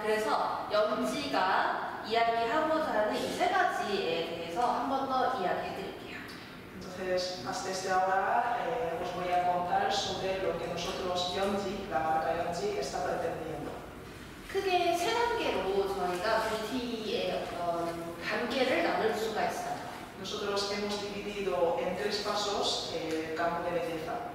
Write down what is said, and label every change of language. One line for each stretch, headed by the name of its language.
Korean: 그래서 연지가 이야기하고자 하는 이 세 가지에 대해서 한 번 더 이야기해 드릴게요.
Spanish: Entonces, hasta este ahora os voy a contar sobre lo que nosotros Yonji, la marca Yonji, está pretendiendo.
Korean: 크게 세 단계로 저희가 BT의 단계를 나눌 수가 있어요.
Spanish: Nosotros hemos dividido en tres pasos el campo de belleza.